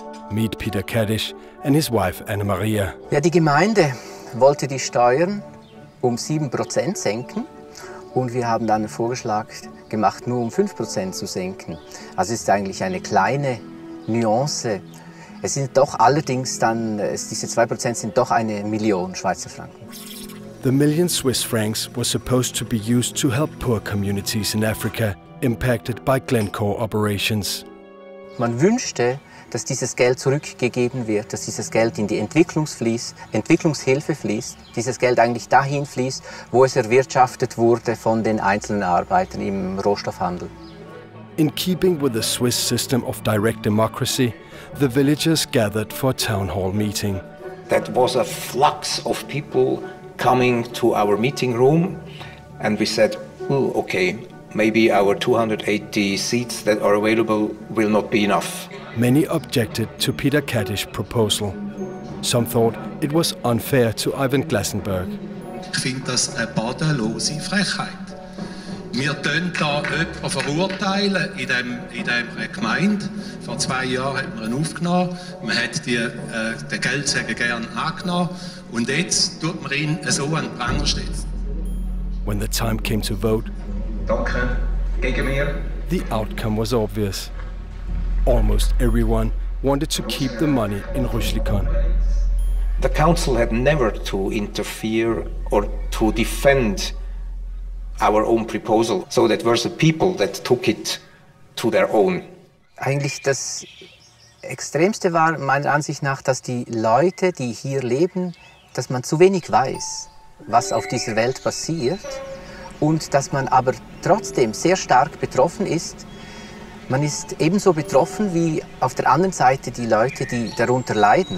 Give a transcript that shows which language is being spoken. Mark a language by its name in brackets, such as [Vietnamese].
[English] Meet Peter Kaddish and his wife Anna Maria. [German] Ja, die Gemeinde wollte die Steuern um 7% senken und wir haben dann einen Vorschlag gemacht, nur um 5% zu senken. Also ist eigentlich eine kleine Nuance. Es sind doch allerdings dann diese 2% sind doch eine Million Schweizer Franken. [English] The million Swiss francs was supposed to be used to help poor communities in Africa impacted by Glencore operations. [German] Man wünschte, dass dieses Geld zurückgegeben wird, dass dieses Geld in die Entwicklungshilfe fließt, dieses Geld eigentlich dahin fließt, wo es erwirtschaftet wurde von den einzelnen Arbeitern im Rohstoffhandel. [English] In keeping with the Swiss system of direct democracy, the villagers gathered for a town hall meeting. That was a flux of people coming to our meeting room, and we said, oh, okay, maybe our 280 seats that are available will not be enough. Many objected to Peter Kaddish's proposal. Some thought it was unfair to Ivan Glassenberg. [German] Ich finde das eine badenlose Frechheit. Wir tun da jemanden verurteilen in dem Gemeinde. Vor zwei Jahren hat man ihn aufgenommen. Man hat den Geldsäge gern angenommen. Und jetzt tut man ihn so an den Pranger stellen. [English] When the time came to vote, the outcome was obvious. Almost everyone wanted to keep the money in Rüschlikon. The council had never to interfere or to defend our own proposal. So that were the people that took it to their own. [German] Eigentlich das Extremste war meiner Ansicht nach, dass die Leute, die hier leben, dass man zu wenig weiß, was auf dieser Welt passiert. Und dass man aber trotzdem sehr stark betroffen ist. Man ist ebenso betroffen wie auf der anderen Seite die Leute, die darunter leiden.